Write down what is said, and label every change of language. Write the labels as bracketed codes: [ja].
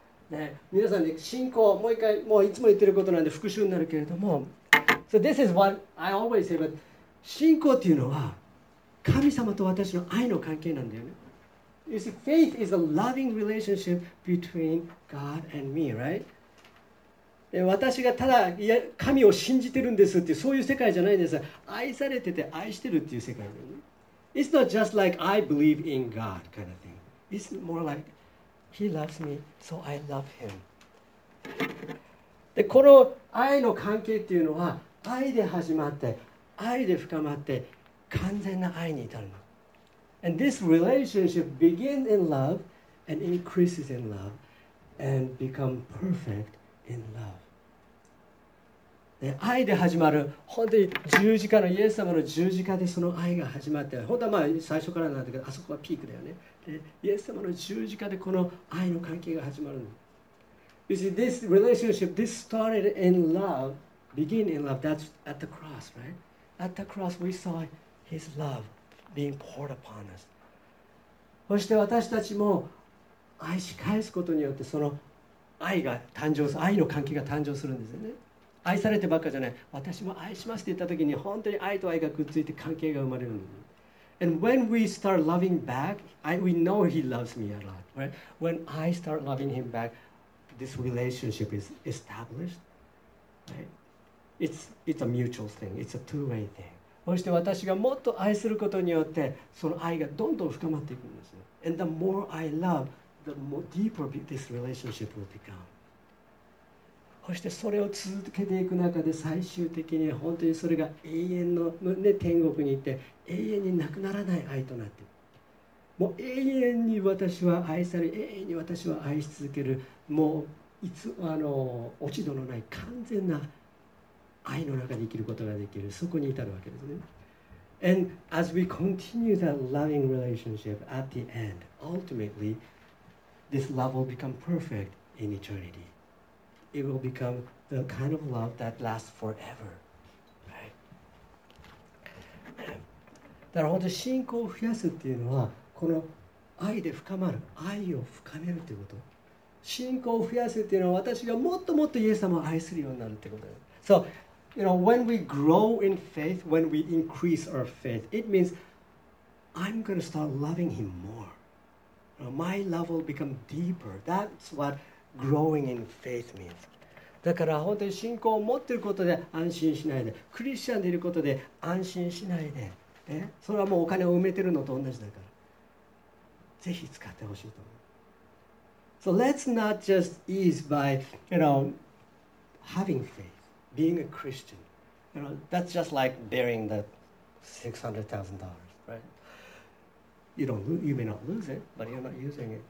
[ja] ね、皆さんね、信仰、もう一回、もういつも言ってることなんで復習になるけれども、 [en] So this is what I always say, but [ja] 信仰っていうのは神様と私の愛の関係なんだよね。 [en] You see, faith is a loving relationship between God and me, right? [ja] 私がただ、いや、神を信じてるんですっていう、そういう世界じゃないんです。愛されてて愛してるっていう世界だよね。 [en] It's not just like I believe in God kind of thing. It's more like He loves me, so I love Him. [ja] で、この愛の関係っていうのは愛で始まって愛で深まって完全な愛に至るの。 [en] And this relationship begins in love and increases in love and become perfect in love. [ja] 愛で始まる、本当に十字架のイエス様の十字架でその愛が始まって、本当はまあ最初からなんだけど、あそこがピークだよね。でイエス様の十字架でこの愛の関係が始まる。 [en] You see, this relationship, this started in love, begin in love, that's at the cross, right? At the cross, we saw His love being poured upon us. [ja] そして私たちも愛し返すことによって、その愛が誕生する、愛の関係が誕生するんですよね。愛されてばっかじゃない。私も愛しますって言った時に、本当に愛と愛がくっついて関係が生まれるの。 [en] And when we start loving back, we know He loves me a lot, right? When I start loving Him back, this relationship is established, right? It's a mutual thing. It's a two-way thing. [ja] そして私がもっと愛することによって、その愛がどんどん深まっていくんですね。 [en] And the more I love, the more deeper this relationship will become. [ja] そしてそれを続けていく中で最終的に本当にそれが永遠の、ね、天国に行って永遠になくならない愛となって、もう永遠に私は愛され、永遠に私は愛し続ける、もういつ落ち度のない完全な愛の中で生きることができる、そこに至るわけですね。 [en] And as we continue that loving relationship at the end, ultimately this love will become perfect in eternityIt will become the kind of love that lasts forever. [ja] だから本当に信仰を増やすっていうのは、この愛で深まる、愛を深めるっていうこと。信仰を増やすっていうのは、私がもっともっとイエス様を愛するようになるっていうことです。 [en] So, you know, when we grow in faith, when we increase our faith, it means I'm going to start loving Him more. You know, my love will become deeper. That's whatGrowing in faith means. [ja] だから本当に信仰を持っていることで安心しないで、クリスチャンでいることで安心しないで、ね、それはもうお金を埋めてるのと同じだから、ぜひ使ってほしいと思う。 [en] So let's not just ease by, you know, having faith, being a Christian. You know, that's just like bearing the $600,000, right? You may not lose it, but you're not using it.